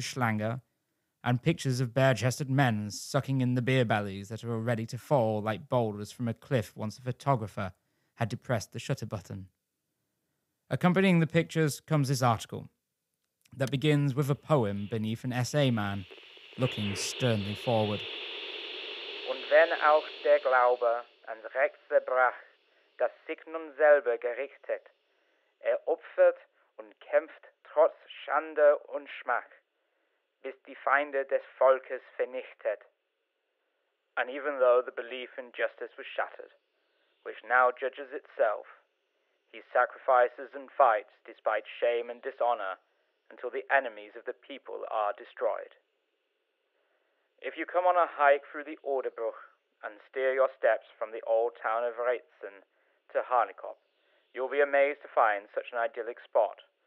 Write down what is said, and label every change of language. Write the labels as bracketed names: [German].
[English] Schlanger, and pictures of bare-chested men sucking in the beer bellies that were ready to fall like boulders from a cliff once a photographer had depressed the shutter button. Accompanying the pictures comes this article that begins with a poem beneath an SA man looking sternly forward. [German] Und wenn auch der Glaube an Rechtsbrach das sich nun selber gerichtet, er opfert und kämpft trotz Schande und Schmach, bis die Feinde des Volkes vernichtet. [English] And even though the belief in justice was shattered, which now judges itself, he sacrifices and fights despite shame and dishonor until the enemies of the people are destroyed. If you come on a hike through the Oderbruch and steer your steps from the old town of Reitzen to Harnekop, you'll be amazed to find such an idyllic spot,